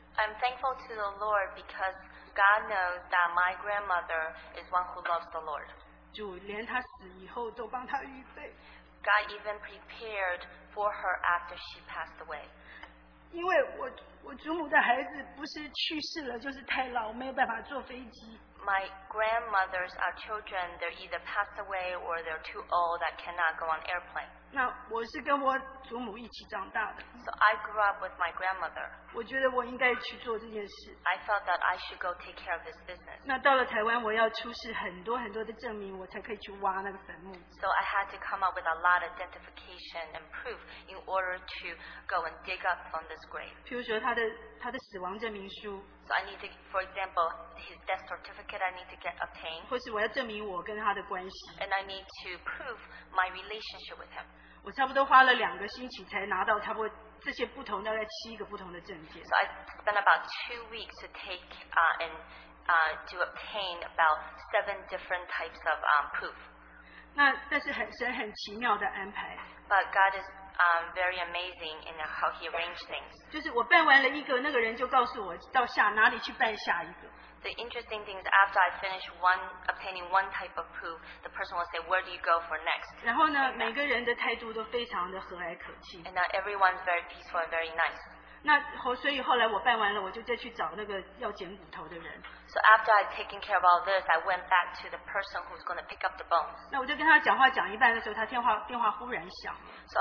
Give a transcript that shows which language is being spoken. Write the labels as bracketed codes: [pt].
[en] I'm thankful to the Lord because God knows that my grandmother is one who loves the Lord. [zh] 主连她死以后都帮她预备。 [en] God even prepared for her after she passed away. [zh] 因为我祖母的孩子不是去世了，就是太老，没有办法坐飞机。 [en] My grandmother's children, they're either passed away or they're too old that cannot go on airplane. [zh] 那我是跟我祖母一起长大的。 [en] So I grew up with my grandmother. [zh] 我觉得我应该去做这件事。 [en] I felt that I should go take care of this business. [zh] 那到了台湾，我要出示很多很多的证明，我才可以去挖那个坟墓。 [en] So I had to come up with a lot of identification and proof in order to go and dig up from this grave. [zh] 譬如说他的死亡证明书。 [en] So I need to, for example, his death certificate I need to get obtained. [zh] 或是我要证明我跟他的关系。 [en] And I need to prove my relationship with him. [zh] 我差不多花了两个星期才拿到差不多这些不同大概七个不同的证件。 [en] So I spent about 2 weeks to take to obtain about 7 different types of proof. [zh] 那但是神很奇妙的安排。 [en] But God is very amazing in how he arranged things. [zh] 就是我办完了一个，那个人就告诉我到下哪里去办下一个。 [en] The interesting thing is after I finish one obtaining one type of poo, the person will say, where do you go for next? [zh] 然后呢，每个人的态度都非常的和蔼可亲。 [en] And now everyone's very peaceful and very nice. [zh] 那所以后来我办完了，我就再去找那个要剪骨头的人。 [en] So after I'd taken care of all this, I went back to the person who's going to pick up the bones. [zh] 那我就跟他讲话讲一半的时候，他电话忽然响。 [en] So